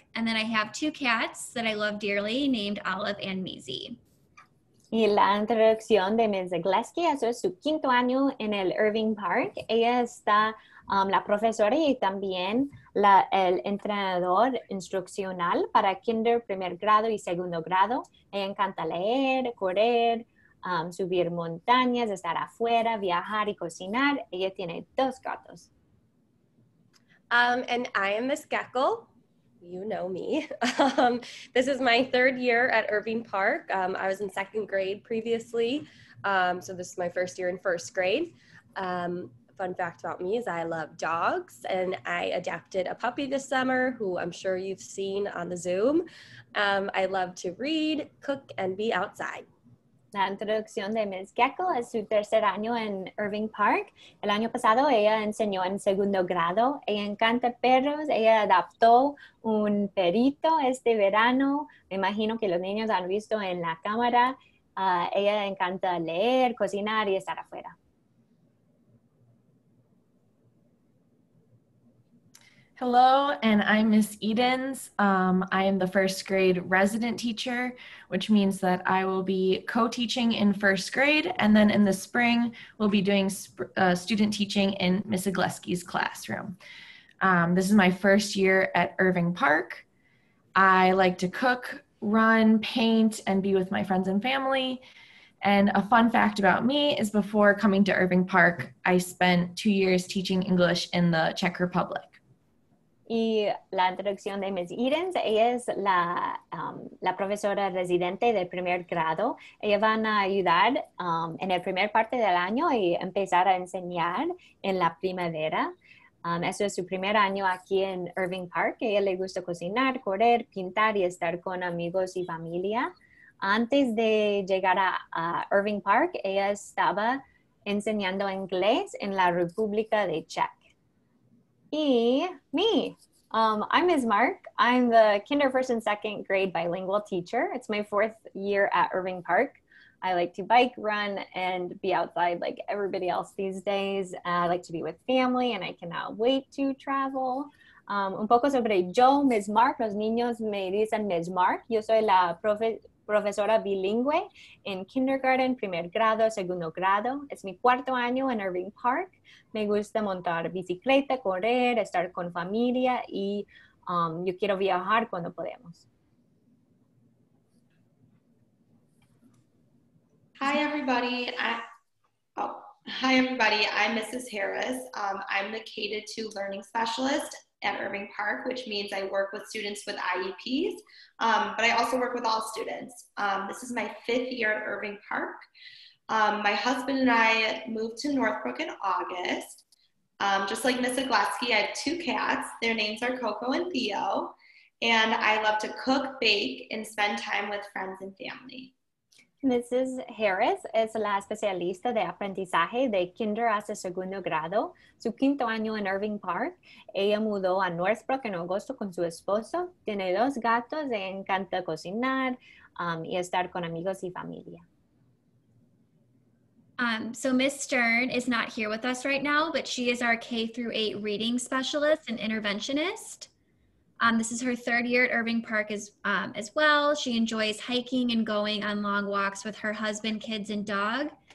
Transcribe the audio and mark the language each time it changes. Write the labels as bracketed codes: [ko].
[en] And then I have two cats that I love dearly named Olive and Maisie. [es] Y la introducción de Ms. Zagleski, eso es su quinto año en el Irving Park. Ella está la profesora y también el entrenador instruccional para kinder, primer grado y segundo grado. Ella encanta leer, correr, subir montañas, estar afuera, viajar y cocinar. Ella tiene dos gatos. [en] And I am Ms. Geckle. You know me. This is my third year at Irving Park. I was in second grade previously. So this is my first year in first grade. Fun fact about me is I love dogs and I adopted a puppy this summer who I'm sure you've seen on the Zoom. I love to read, cook, and be outside. [es] La introducción de Ms. Geckle es su tercer año en Irving Park. El año pasado ella enseñó en segundo grado. Ella encanta perros. Ella adaptó un perrito este verano. Me imagino que los niños han visto en la cámara. Ella encanta leer, cocinar y estar afuera. [en] Hello, and I'm Ms. Edens. I am the first grade resident teacher, which means that I will be co-teaching in first grade, and then in the spring, we'll be doing student teaching in Ms. Zagleski's classroom. This is my first year at Irving Park. I like to cook, run, paint, and be with my friends and family. And a fun fact about me is before coming to Irving Park, I spent 2 years teaching English in the Czech Republic. [es] Y la introducción de Ms. Edens, ella es la, la profesora residente de primer grado. Ella van a ayudar en el primer parte del año y empezar a enseñar en la primavera. Eso es su primer año aquí en Irving Park. A ella le gusta cocinar, correr, pintar y estar con amigos y familia. Antes de llegar a Irving Park, ella estaba enseñando inglés en la República de Czech. [en] I'm Ms. Mark. I'm the kinder, first, and second grade bilingual teacher. It's my fourth year at Irving Park. I like to bike, run, and be outside like everybody else these days. I like to be with family, and I cannot wait to travel. [es] Un poco sobre yo, Ms. Mark. Los niños me dicen Ms. Mark. Yo soy la profe profesora bilingüe en kindergarten, primer grado, segundo grado. Es mi cuarto año en Irving Park. Me gusta montar bicicleta, correr, estar con familia y yo quiero viajar cuando podemos. [en] Hi, everybody. I'm Mrs. Harris. I'm the K-2 learning specialist at Irving Park, which means I work with students with IEPs, but I also work with all students. This is my fifth year at Irving Park. My husband and I moved to Northbrook in August. Just like Miss Aglatsky, I have two cats. Their names are Coco and Theo, and I love to cook, bake, and spend time with friends and family. [es] Mrs. Harris es la especialista de aprendizaje de kinder hasta segundo grado. Su quinto año en Irving Park, ella mudó a Northbrook en agosto con su esposo. Tiene dos gatos, le encanta cocinar y estar con amigos y familia. [en] So Ms. Stern is not here with us right now, but she is our K-8 reading specialist and interventionist. This is her third year at Irving Park as well. She enjoys hiking and going on long walks with her husband, kids, and dog.